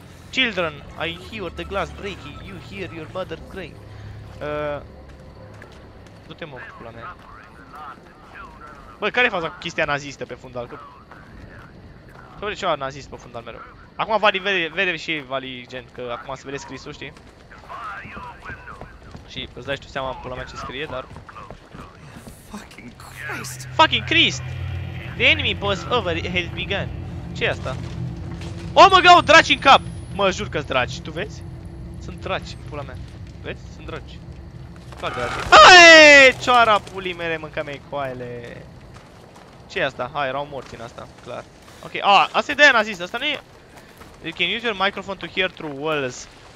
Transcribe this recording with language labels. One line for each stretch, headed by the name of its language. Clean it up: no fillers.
English: Children, I hear the glass breaking, you hear your mother crying.
Romanian: Du-te mă, pula mea. Bă, care e faza cu chestia nazistă pe fundal? Că... Să vede ceva nazist pe fundal mereu. Acum Vali vede și Vali gen, că acum se vede scrisul, știi? Și îți dai și tu seama, pula mea, ce scrie, dar...
English: Fucking Christ! Fucking Christ! The enemy was over, it has begun.
Romanian: Ce e asta?
English: Oh my god,
Romanian: draci în cap! Mă jur că-s draci, tu vezi? Sunt draci, pula mea. Vezi? Sunt draci. Fac draci. Aie! Cioara pulii mele, mâncă mei coaiele. Ce e asta? Hai, erau morți în asta, clar. Ok, a, asta e de aia nazist, asta nu e...
English: You can use your microphone to hear through walls.